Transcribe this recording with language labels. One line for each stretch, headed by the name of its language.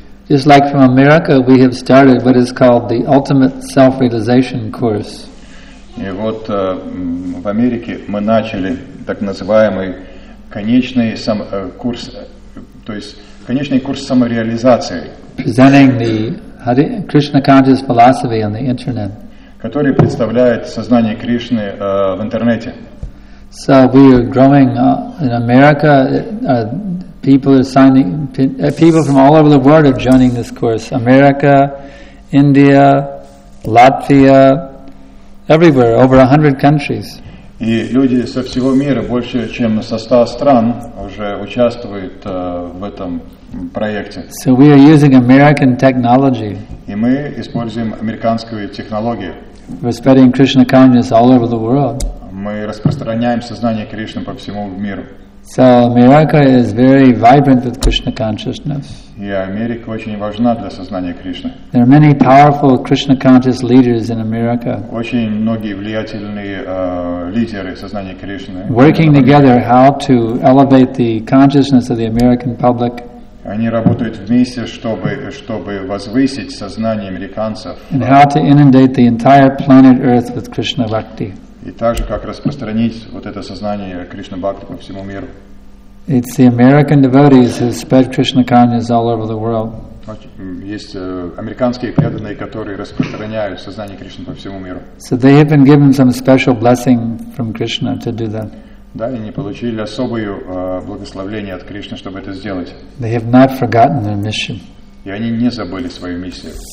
English: Just like from America, we have started what is called the Ultimate Self-Realization Course.
Russian: И вот в Америке мы начали так называемый конечный курс самореализации.
English: Presenting the Krishna Conscious Philosophy on the internet.
Russian: которые представляют сознание Кришны в интернете.
English: So we are growing in America. People are signing. People from all over the world are joining this course. America, India, Latvia, everywhere, over 100 countries.
Russian: И люди со всего мира, больше чем со 100 стран, уже участвуют в этом проекте.
English: So we are using American technology.
Russian: И мы используем американскую технологию.
English: We're spreading Krishna consciousness all over the world.
Russian: Мы распространяем сознание Кришны по всему миру.
English: So America is very vibrant with Krishna consciousness.
Russian: И Америка очень важна для сознания Кришны.
English: There are many powerful Krishna conscious leaders in America.
Russian: Очень многие влиятельные лидеры сознания Кришны.
English: Working together, how to elevate the consciousness of the American public.
Russian: Они работают вместе, чтобы возвысить сознание американцев.
English: And how to inundate the entire planet Earth with Krishna bhakti.
Russian: И также как распространить вот это сознание Кришна бхакти по всему миру.
English: It's the American devotees who spread Krishna consciousness all over the world.
Russian: Есть американские преданные, которые распространяют сознание Кришны по всему миру.
English: So they have been given some special blessing from Krishna to do that.
Russian: Да, и они получили особое благословение от Кришны, чтобы это сделать.
English: They have not forgotten their mission.
Russian: И они не забыли свою миссию.